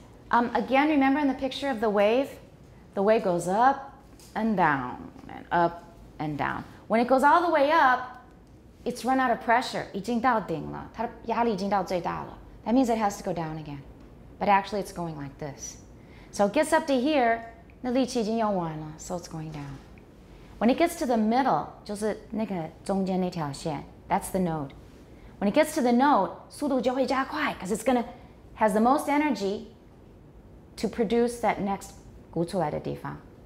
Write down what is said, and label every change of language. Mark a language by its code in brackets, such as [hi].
[en] Again, remember in the picture of the wave? The wave goes up and down and up and down. When it goes all the way up, it's run out of pressure. [zh] 已经到顶了，它的压力已经到最大了。 [en] That means it has to go down again. But actually, it's going like this. So it gets up to here, [zh] 那力气已经用完了, [en] so it's going down. When it gets to the middle, [zh] 就是那个中间那条线, [en] that's the node. When it gets to the node, [zh] 速度就会加快, [en] because it's going to have the most energy to produce that next [zh] 鼓出来的地方。